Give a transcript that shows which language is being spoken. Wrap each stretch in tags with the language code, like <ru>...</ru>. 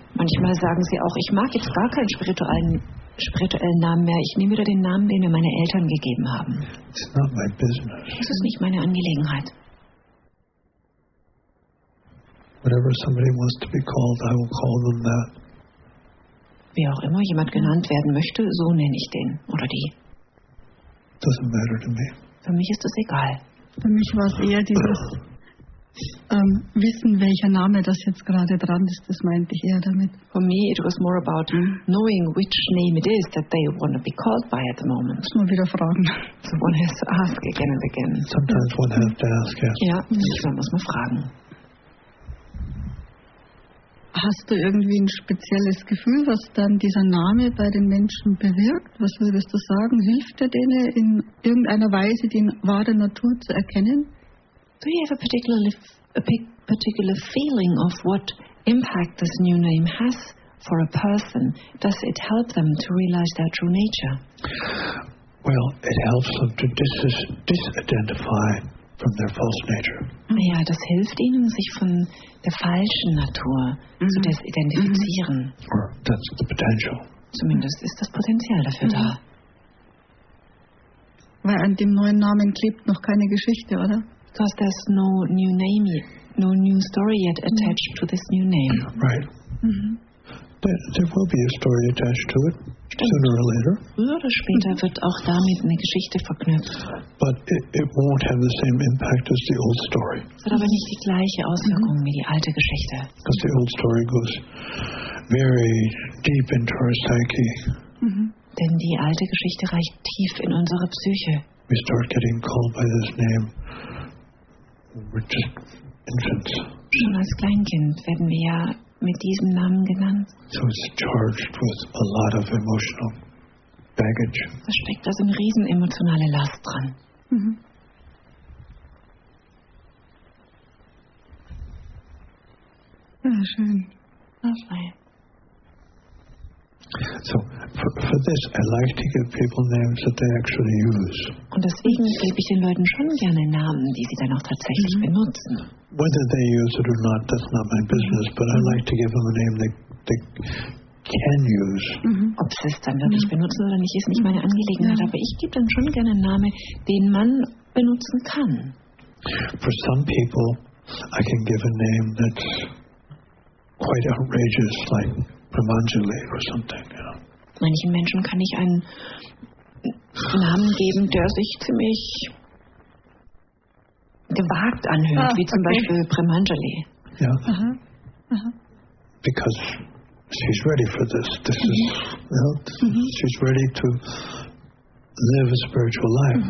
<de>Manchmal sagen sie auch, ich mag jetzt gar keinen spirituellen Namen mehr. Ich nehme wieder den Namen, den mir meine Eltern gegeben haben.</de> <en>It's not my business.</en> <de>Das ist nicht meine Angelegenheit.</de> <en>Whatever somebody wants to be called, I will call them that.</en> <de>Wie auch immer jemand genannt werden möchte, so nenne ich den oder die.</de> <en>Doesn't matter to me.</en> <de>Für mich ist das egal. Für mich war es eher dieses Wissen, welcher Name das jetzt gerade dran ist, das meinte ich eher damit.</de> <en>For me it was more about knowing which name it is that they want to be called by at the moment.</en> <de>Muss man wieder fragen.</de> <en>So one has to ask again and again. Sometimes one has to ask, yes.</en> <de>Ja, manchmal muss man fragen. Hast du irgendwie ein spezielles Gefühl, was dann dieser Name bei den Menschen bewirkt? Was würdest du sagen? Hilft er denen in irgendeiner Weise, die wahre Natur zu erkennen?</de> <en>Do you have a particular feeling of what impact this new name has for a person? Does it help them to realize their true nature? Well, it helps them to disidentify from their false nature.</en> <de>Ja, das hilft ihnen, sich von der falschen Natur zu desidentifizieren.</de> <en>Or that's the potential.</en> <de>Zumindest ist das Potenzial dafür da. Weil an dem neuen Namen klebt noch keine Geschichte, oder?</de> <en>Because there's no new name yet, no new story yet attached to this new name. Right. Mm-hmm. There will be a story attached to it, sooner or later.</en> <de>Früher oder später wird auch damit eine Geschichte verknüpft.</de> <en>But it won't have the same impact as the old story.</en> <de>Es hat aber nicht die gleiche Auswirkung wie die alte Geschichte.</de> <en>Because the old story goes very deep into our psyche.</en> <de>Denn die alte Geschichte reicht tief in unsere Psyche.</de> <en>We start getting called by this name. We're just infants.</en> <de>Schon als Kleinkind werden wir ja mit diesem Namen genannt.</de> <en>So it's charged with a lot of emotional baggage.</en> <de>Da steckt also eine riesen emotionale Last dran. Ja, schön. Das war ja.</de> <en>So, for this, I like to give people names that they actually use.</en> <de>Und deswegen gebe ich den Leuten schon gerne Namen, die sie dann auch tatsächlich benutzen.</de> <en>Whether they use it or not, that's not my business, but I like to give them a name they can use.</en> <de>Ob sie es dann wirklich benutzen oder nicht, ist nicht meine Angelegenheit, aber ich gebe dann schon gerne einen Namen, den man benutzen kann.</de> <en>For some people, I can give a name that's quite outrageous, like Primangeli or something, you know.</en> <de>Manchen Menschen kann ich einen Namen geben, der sich ziemlich gewagt anhört, wie zum Beispiel Primangeli.</de> <en>Yeah. Because she's ready for this. This is, you know, she's ready to live a spiritual life.</en>